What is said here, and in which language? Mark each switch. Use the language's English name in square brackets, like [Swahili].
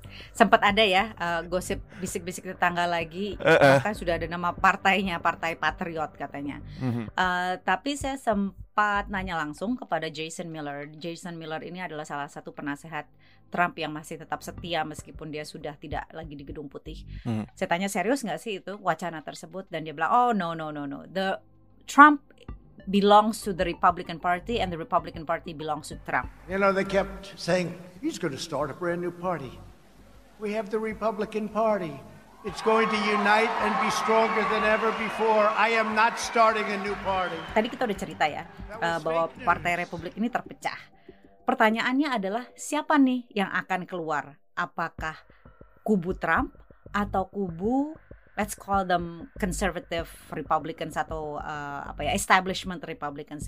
[Indonesian] Sempat ada ya gosip bisik-bisik tetangga lagi, katanya sudah ada nama partainya, Partai Patriot katanya. Tapi saya sempat nanya langsung kepada Jason Miller. Jason Miller ini adalah salah satu penasehat Trump yang masih tetap setia meskipun dia sudah tidak lagi di Gedung Putih. Saya tanya, serius gak sih itu wacana tersebut? Dan dia bilang, [English] oh no, the Trump belongs to the Republican Party and the Republican Party belongs to Trump. You know, they kept saying he's going to start a brand new party. We have the Republican Party. It's going to unite and be stronger than ever before. I am not starting a new party. [Indonesian] Tadi kita udah cerita ya bahwa Partai Republik ini terpecah. Pertanyaannya adalah siapa nih yang akan keluar? Apakah kubu Trump atau kubu, [English] let's call them conservative Republicans [Indonesian] atau [English] establishment Republicans.